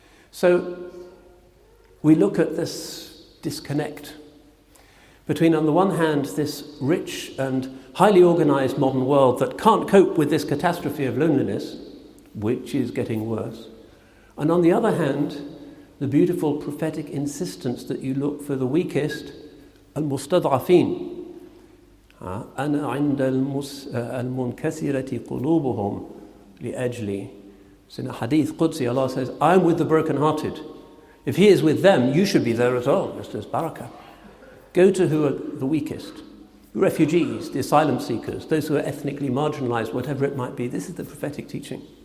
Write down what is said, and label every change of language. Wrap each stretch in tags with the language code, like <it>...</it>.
<en>So we look at this disconnect between, on the one hand, this rich and highly organized modern world that can't cope with this catastrophe of loneliness, which is getting worse, and on the other hand, the beautiful prophetic insistence that you look for the weakest</en> <ar>المستضعفين أنا عند المنكسرة قلوبهم لأجلي.</ar> <en>So in a hadith Qudsi, Allah says, I'm with the brokenhearted. If he is with them, you should be there as well, just as Barakah. Go to who are the weakest, the refugees, the asylum seekers, those who are ethnically marginalized, whatever it might be. This is the prophetic teaching.</en>